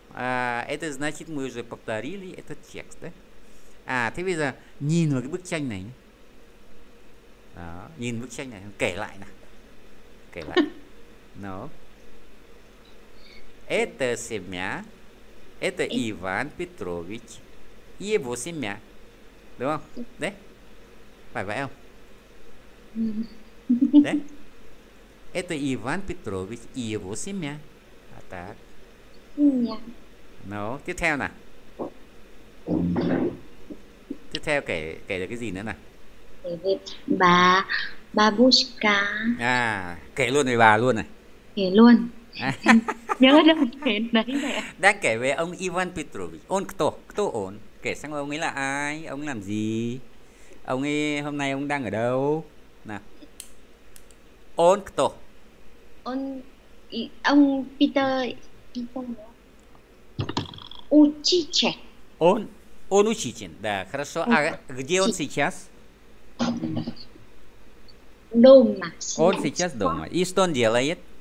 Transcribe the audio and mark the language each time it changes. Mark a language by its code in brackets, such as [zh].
[ru] А, это значит, мы уже повторили этот текст, да? [vi] А, thế bây giờ, nhìn vào cái bức tranh này. Đó, nhìn bức tranh này, kể lại nào. Kể lại. [ru] Ну. Это семья. Это Иван Петрович. Его семья. [vi] Đúng không? Đấy. Phải vậy không? Đấy. [ru] Это Иван Петрович и его семья. А так. Семья. [vi] Ну, tiếp theo nè. Tiếp theo kể kể được cái gì nữa nè. Kể về bà, бабушка. À, kể luôn về bà luôn này. Kể luôn. Nhớ được kể đấy mẹ. Đang kể về ông Ivan Petrovich. Ông [ru] кто? Кто он? [vi] Kể sang ông ấy là ai? Ông làm gì? Ông ấy hôm nay ông đang ở đâu? [ru] Он кто? Он и ông Peter учитель. Он учитель, да, хорошо. А где он сейчас? Дома. Он сейчас дома. И что он делает?